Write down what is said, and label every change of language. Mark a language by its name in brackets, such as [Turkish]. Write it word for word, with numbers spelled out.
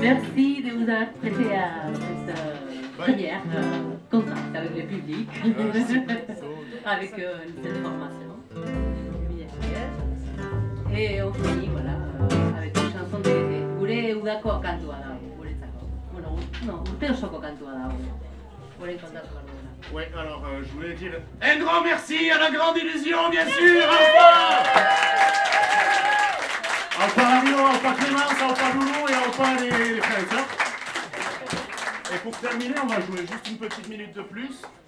[French] Merci de vous avoir prêté à cette... euh, [Basque] Bai, [French] première euh, contact avec le public, Ouais. avec euh, cette formation. [Basque] Mila esker. [French] Et on finit, voilà, euh, avec une chanson de [Basque] gure udako kantua dago, guretzako. Bueno, ur- no, urte osoko kantua dago. Gure kontatu behar duena. [French] Ouais, alors euh, je voulais dire un grand merci à la grande illusion, bien sûr, au revoir. Au revoir Amino, au revoir Clémence, au revoir Loulou et au revoir les, les frères et sœurs. Et pour terminer, on va jouer juste une petite minute de plus.